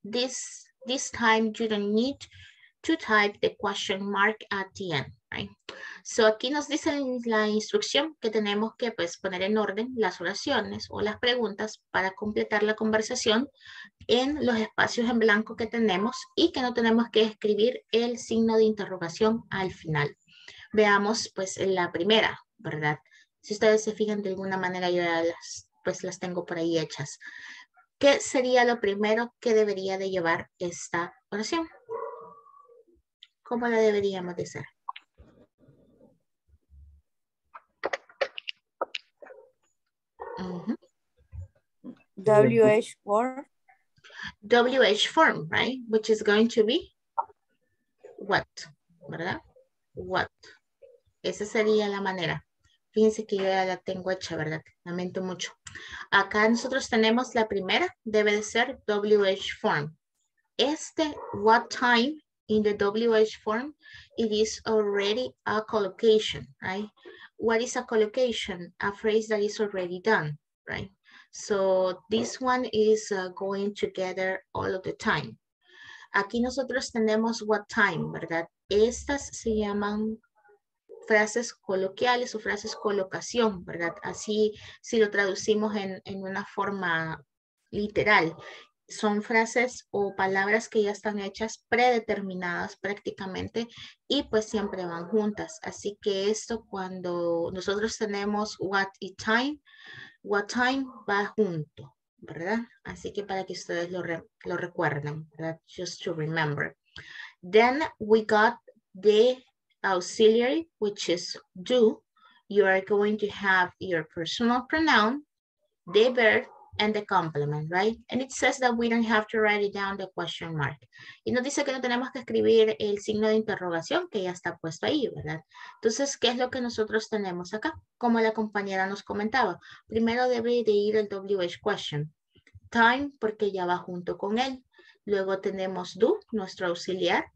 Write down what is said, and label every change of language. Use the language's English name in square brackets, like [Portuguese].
[English] This time you don't need to type the question mark at the end. Right. [Spanish] So aquí nos dice la instrucción que tenemos que pues, poner en orden las oraciones o las preguntas para completar la conversación en los espacios en blanco que tenemos y que no tenemos que escribir el signo de interrogación al final. Veamos pues la primera, ¿verdad? Si ustedes se fijan de alguna manera yo ya las tengo por ahí hechas. ¿Qué sería lo primero que debería de llevar esta oración? ¿Cómo la deberíamos decir? [English] WH form. WH form, right? Which is going to be what, ¿verdad? What. [Spanish] Esa sería la manera. Fíjense que yo ya la tengo hecha, ¿verdad? Lamento mucho. Acá nosotros tenemos la primera, debe de ser WH form. [English] Este what time in the WH form, it is already a collocation, right? What is a collocation? A phrase that is already done. Right, so this one is going together all of the time. [Spanish] Aquí nosotros tenemos what time, ¿verdad? Estas se llaman frases coloquiales o frases colocación, ¿verdad? Así si lo traducimos en una forma literal. Son frases o palabras que ya están hechas predeterminadas prácticamente y pues siempre van juntas. Así que esto cuando nosotros tenemos what y time, what time va junto, ¿verdad? Así que para que ustedes lo recuerden, ¿verdad? [English] Just to remember. Then we got the auxiliary, which is do. You are going to have your personal pronoun, the verb, and the complement, right? And it says that we don't have to write it down the question mark. [Spanish] Y nos dice que no tenemos que escribir el signo de interrogación que ya está puesto ahí, ¿verdad? Entonces, ¿qué es lo que nosotros tenemos acá? Como la compañera nos comentaba, primero debe de ir el WH question. Time, porque ya va junto con él. Luego tenemos do, nuestro auxiliar.